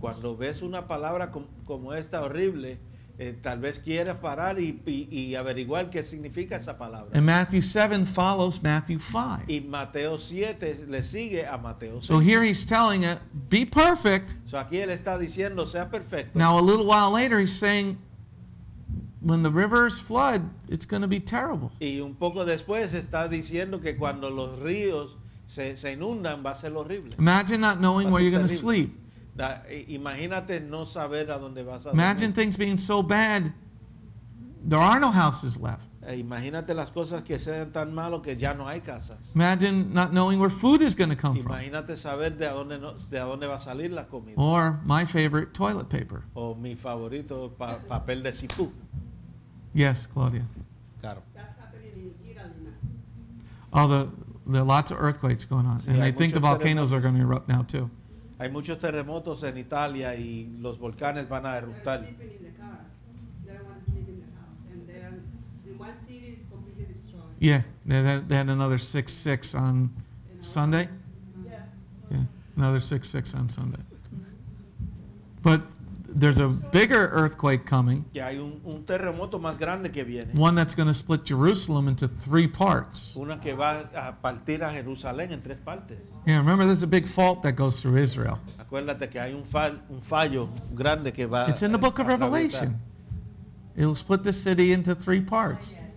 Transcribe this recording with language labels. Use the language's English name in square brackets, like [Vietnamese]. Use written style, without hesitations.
[Spanish] Cuando ves una palabra como esta horrible, tal vez quieras parar y averiguar qué significa esa palabra. [English] And Matthew 7 follows Matthew 5. [Spanish] Y Mateo 7 le sigue a Mateo 6. [English] So here he's telling it, be perfect. [Spanish] So aquí él está diciendo, sea perfecto. [English] Now a little while later he's saying, when the rivers flood, it's going to be terrible. [Spanish] Y un poco después está diciendo que cuando los ríos se inundan va a ser horrible. [English] Imagine not knowing where you're going to sleep. [Spanish] Imagínate no saber a dónde vas a dormir. [English] Imagine things being so bad, there are no houses left. [Spanish] Imagínate las cosas que sean tan malo que ya no hay casas. [English] Imagine not knowing where food is going to come from. [Spanish] Imagínate saber de dónde va a salir la comida. [English] Or my favorite, toilet paper. [Spanish] O mi favorito, papel de sifú. [English] Yes, Claudia. [Spanish] Claro. [English] Oh, there are lots of earthquakes going on. [Spanish] Sí, [English] and they think the volcanoes are going to erupt now too. [Spanish] Hay muchos terremotos en Italia y los volcanes van a eruptar. [English] Yeah, they had another 6-6 on Sunday. Yeah, another 6-6 on Sunday. But there's a bigger earthquake coming. [Spanish] Que hay un terremoto más grande que viene. [English] One that's going to split Jerusalem into 3 parts. [Spanish] Una que va a partir a Jerusalén en 3 partes. [English] Yeah, remember, there's a big fault that goes through Israel. [Spanish] Acuérdate que hay un fallo grande que va. [English] It's in the book of Revelation. It'll split the city into 3 parts.